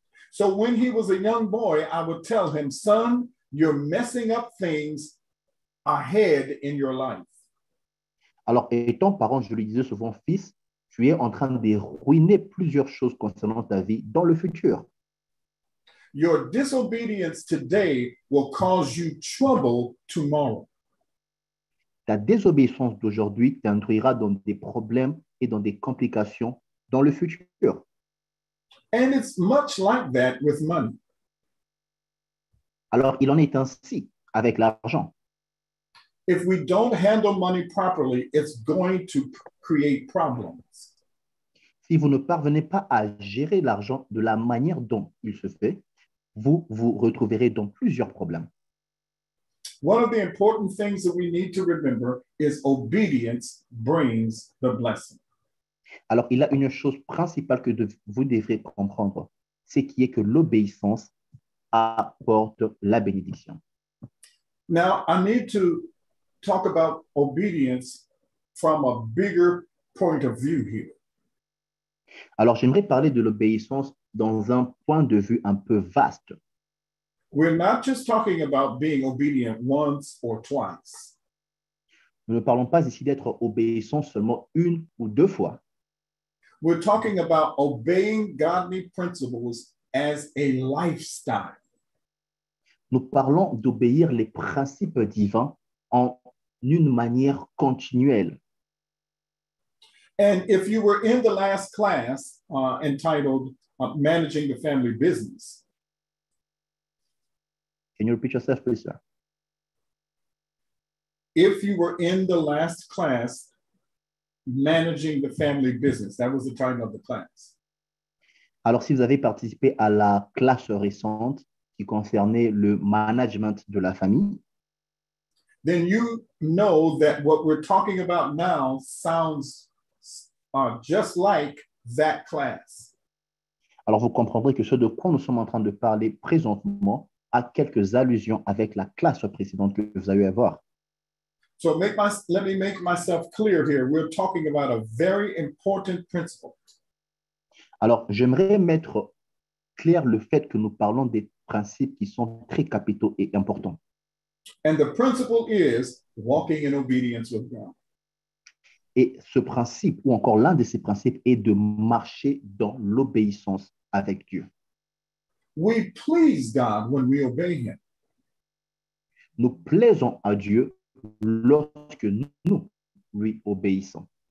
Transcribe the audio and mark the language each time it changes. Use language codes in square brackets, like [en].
[en] So when he was a young boy, I would tell him, son, you're messing up things ahead in your life. [fr] Alors, étant parent, je lui disais souvent, fils, tu es en train de ruiner plusieurs choses concernant ta vie dans le futur. [en] Your disobedience today will cause you trouble tomorrow. [fr] Ta désobéissance d'aujourd'hui t'induira dans des problèmes et dans des complications dans le futur. [en] And it's much like that with money. [fr] Alors, il en est ainsi avec l'argent. [en] If we don't handle money properly, it's going to create problems. [fr] Si vous ne parvenez pas à gérer l'argent de la manière dont il se fait, vous vous retrouverez dans plusieurs problèmes. [en] One of the important things that we need to remember is obedience brings the blessing. [fr] Alors, il y a une chose principale que vous devrez comprendre, c'est qui est que l'obéissance apporte la bénédiction. [en] Now, I need to talk about obedience from a bigger point of view here. [fr] Alors, j'aimerais parler de l'obéissance dans un point de vue un peu vaste. [en] We're not just talking about being obedient once or twice. [fr] Nous ne parlons pas ici d'être obéissant seulement une ou deux fois. [en] We're talking about obeying godly principles as a lifestyle. [fr] Nous parlons d'obéir les principes divins en une manière continuelle. [en] And if you were in the last class entitled Managing the Family Business. Can you repeat yourself, please, sir? If you were in the last class Managing the Family Business, that was the title of the class. [fr] Alors, si vous avez participé à la classe récente qui concernait le management de la famille, [en] then you know that what we're talking about now sounds just like that class. [fr] Alors, vous comprendrez que ce de quoi nous sommes en train de parler présentement a quelques allusions avec la classe précédente que vous avez eu à voir. [en] So let me make myself clear here. We're talking about a very important principle. [fr] Alors, j'aimerais mettre clair le fait que nous parlons des principes qui sont très capitaux et importants. [en] And the principle is walking in obedience with God. [fr] Et ce principe, ou encore l'un de ces principes, est de marcher dans l'obéissance avec Dieu. [en] We please God when we obey Him. [fr] Nous plaisons à Dieu lorsque nous lui obéissons.